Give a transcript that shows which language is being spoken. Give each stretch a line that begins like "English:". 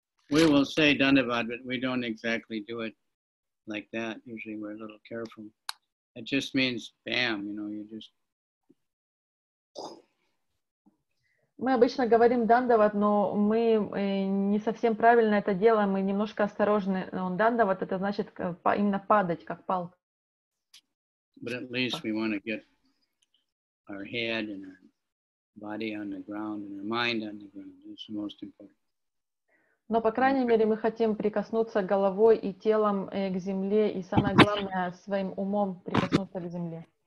English: We will say dandabat, but we don't exactly do it like that. Usually we're a little careful. It just means bam, you know, you just...
Russian: Мы обычно говорим дандават, но мы не совсем правильно это делаем, мы немножко осторожны. Дандават — это значит именно падать, как палка.
English: But at least we want to get our head and our body on the ground and our mind on the ground. That's the most important.
Russian: Но, по крайней мере, мы хотим прикоснуться головой и телом к земле и, самое главное, своим умом прикоснуться к земле.